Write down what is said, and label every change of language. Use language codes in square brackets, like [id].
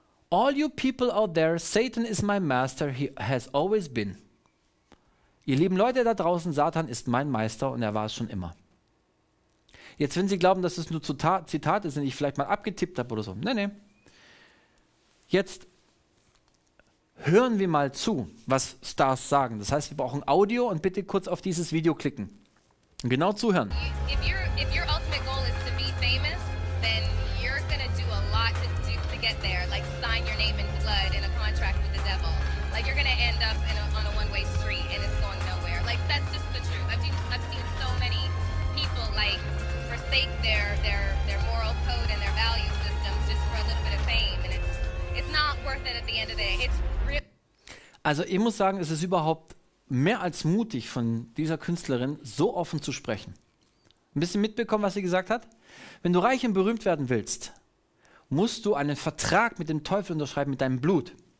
[en] All you people out there, Satan is my master. He has always been. [de] Ihr lieben Leute da draußen, Satan ist mein Meister und er war es schon immer. Jetzt, wenn Sie glauben, dass es nur Zitate sind, die ich vielleicht mal abgetippt habe oder so. Nee. Jetzt hören wir mal zu, was Stars sagen. Das heißt, wir brauchen Audio und bitte kurz auf dieses Video klicken. Und genau zuhören. [en] If your ultimate goal is to be famous, then you're gonna do a lot to get there. Like sign your name in blood in a contract with the devil. Like you're gonna end up on a one-way street and it's going nowhere. Like that's just the truth. I've seen so many people like forsake their moral code and their value systems just for a little bit of fame, and it's not worth it at the end of the day. It's real. [de] Also ich muss sagen, es ist überhaupt mehr als mutig von dieser Künstlerin, so offen zu sprechen. Ein bisschen mitbekommen, was sie gesagt hat? Wenn du reich und berühmt werden willst, musst du einen Vertrag mit dem Teufel unterschreiben, mit deinem Blut.